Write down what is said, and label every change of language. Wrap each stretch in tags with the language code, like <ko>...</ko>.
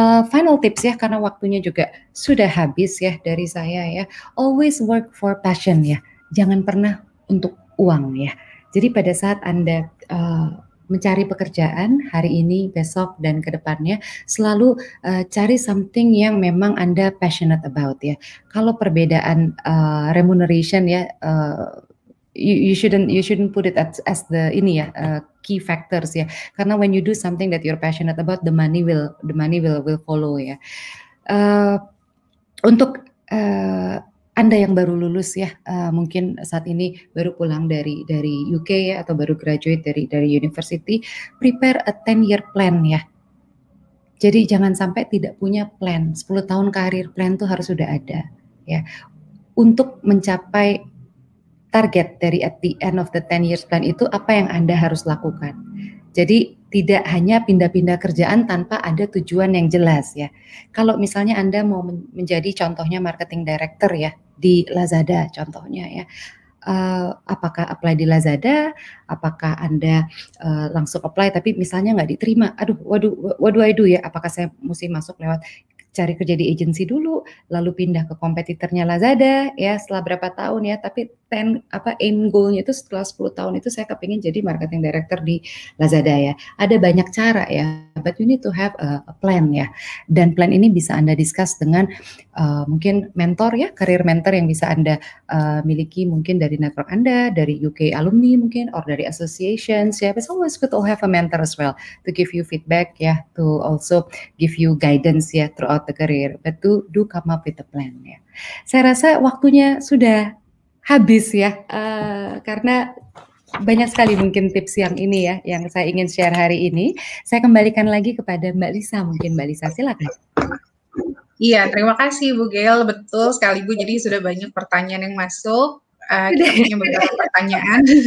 <id>Final tips ya, karena waktunya juga sudah habis ya dari saya ya.</id> <en>Always work for passion ya.</en> <id>Jangan pernah untuk uang ya. Jadi pada saat Anda mencari pekerjaan hari ini, besok, dan ke depannya, selalu cari something yang memang Anda</id> <en>passionate about</en> <id>ya. Kalau perbedaan</id> <en>remuneration ya, you shouldn't put it as the ini ya, key factors ya.</en> <id>Karena</id> <en>when you do something that you're passionate about, the money will follow ya.</en> <id>Anda yang baru lulus ya, mungkin saat ini baru pulang dari UK ya, atau baru graduate dari university,</id> <en>prepare a 10-year plan</en> <id>ya. Jadi jangan sampai tidak punya plan. 10 tahun karir plan tuh harus sudah ada ya, untuk mencapai target dari</id> <en>at the end of the 10 years plan</en> <id>itu, apa yang Anda harus lakukan. Jadi tidak hanya pindah-pindah kerjaan tanpa ada tujuan yang jelas ya. Kalau misalnya Anda mau menjadi contohnya marketing director ya, di Lazada contohnya ya, apakah apply di Lazada, apakah Anda langsung apply tapi misalnya nggak diterima, aduh,</id> <en>what do I do</en> <id>ya, apakah saya mesti masuk lewat cari kerja di agensi dulu, lalu pindah ke kompetitornya Lazada, ya setelah berapa tahun ya, tapi aim goal-nya itu setelah 10 tahun itu saya kepingin jadi marketing director di Lazada ya. Ada banyak cara ya,</id> <en>but you need to have a plan</en> <id>ya. Dan plan ini bisa Anda discuss dengan mungkin mentor ya, career mentor yang bisa Anda miliki mungkin dari network Anda, dari UK alumni mungkin, or dari associations ya.</id> <en>It's always good to have a mentor as well to give you feedback ya, to also give you guidance ya throughout the career. But do come up with a plan ya.</en> <id>Saya rasa waktunya sudah habis ya, karena banyak sekali mungkin tips yang ini ya, yang saya ingin share hari ini. Saya kembalikan lagi kepada Mbak Lisa, mungkin Mbak Lisa silakan. Iya, terima kasih Bu Gail, betul sekali Bu, jadi sudah banyak pertanyaan yang masuk, kita punya beberapa pertanyaan.</id>